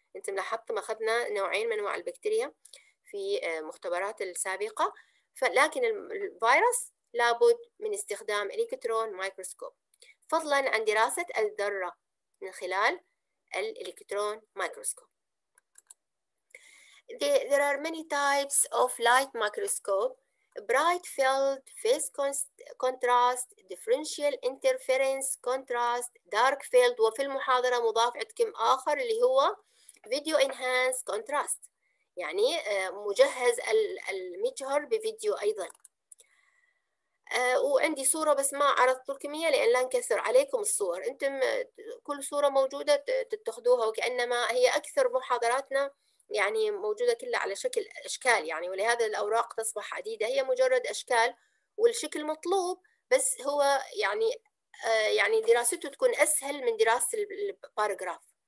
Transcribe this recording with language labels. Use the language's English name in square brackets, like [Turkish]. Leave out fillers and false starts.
[Arabic] أنت ملاحظتم أخذنا نوعين من أنواع البكتيريا في مختبرات السابقة، فلكن الفيروس لابد من استخدام الإلكترون مايكروسكوب فضلا عن دراسة الذرة من خلال الإلكترون مايكروسكوب. [English] There are many types of light microscope: bright field, phase contrast, differential interference contrast, dark field. [Arabic] وفي المحاضرة مضاف عندكم آخر اللي هو video enhanced contrast، يعني مجهز المجهر بفيديو أيضا. وعندي صورة بس ما عرضت لكم إياها لأن لا نكثر عليكم الصور، أنتم كل صورة موجودة تتخذوها، وكأنما هي أكثر محاضراتنا يعني موجودة كلها على شكل أشكال يعني، ولهذا الأوراق تصبح عديدة، هي مجرد أشكال والشكل مطلوب، بس هو يعني دراسته تكون أسهل من دراسة الباراجراف.